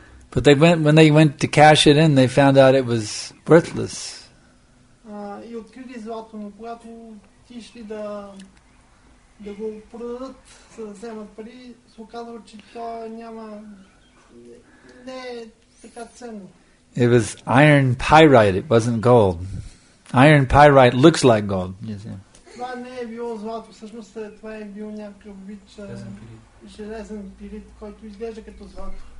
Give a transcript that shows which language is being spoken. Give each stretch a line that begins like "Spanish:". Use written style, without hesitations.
English: But they went, when they went to cash it in, they found out it was worthless.
Bulgarian: И открили злато, но когато ти шли да да го продадат, за да вземат пари, се оказва, че то няма... не е така ценно.
English: It was iron pyrite, it wasn't gold. Iron pyrite looks like gold.
Bulgarian: Това не е било злато, всъщност това е било някакъв вид железен пирит, който изглежда като злато.